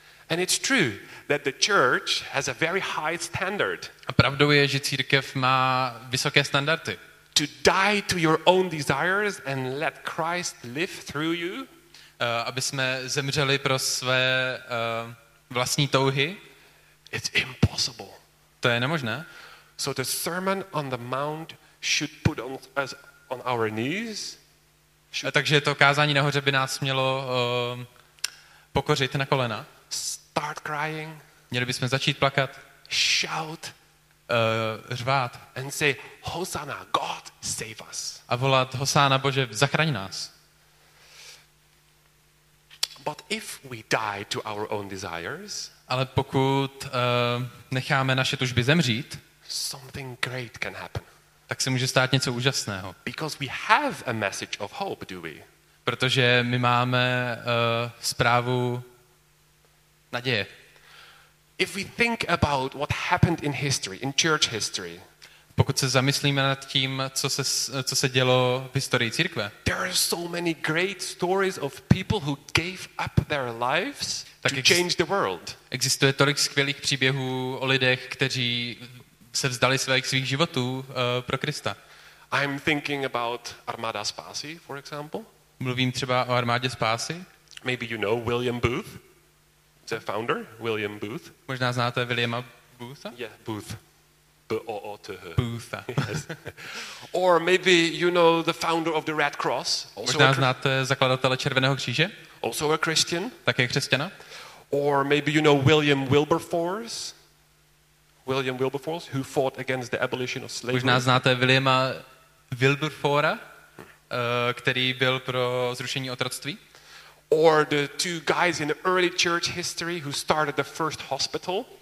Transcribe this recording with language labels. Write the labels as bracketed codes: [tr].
[en] And it's true that the church has a very high standard. [cs] A pravdou je, že církev má vysoké standardy. [en] To die to your own desires and let Christ live through you. [cs] Aby jsme zemřeli pro své vlastní touhy. [en] It's impossible. [cs] To je nemožné. [en] So the Sermon on the Mount should put us on our knees. [cs] Takže to kázání nahoře by nás mělo pokořit na kolena. [en] Start crying. [cs] Měli bychom začít plakat. [en] Shout. [cs] Řvát. [en] And say, Hosanna, God, save us. [cs] A volat Hosanna, Bože, zachraň nás. [en] But if we die to our own desires, [cs] ale pokud necháme naše tužby zemřít, [en] something great can happen. [cs] Tak se může stát něco úžasného. [en] Because we have a message of hope, do we? [cs] Protože my máme zprávu naděje. [en] If we think about what happened in history, in church history, [cs] pokud se zamyslíme nad tím, co se dělo v historii církve. [en] There are so many great stories of people who gave up their lives to change the world. [cs] Existuje tolik skvělých příběhů o lidech, kteří se vzdali svých životů pro Krista. [en] I'm thinking about Armada Spasi, for example. [cs] Mluvím třeba o Armádě Spásy. [en] Maybe you know William Booth, the founder, William Booth. [cs] Možná znáte Williama Bootha? [en] Yeah, Booth. B-O-O-T-H. [cs] Bootha. Yes. [en] Or maybe you know the founder of the Red Cross. [cs] Also možná znáte zakladatele Červeného kříže. [en] Also a Christian. [cs] Také křesťana. [en] Or maybe you know William Wilberforce. William Wilberforce, who fought against the abolition of slavery. [cs] Možná znáte Williama Wilberfora, který byl pro zrušení otroctví. [en] Or the two guys in early church history who started the first hospital.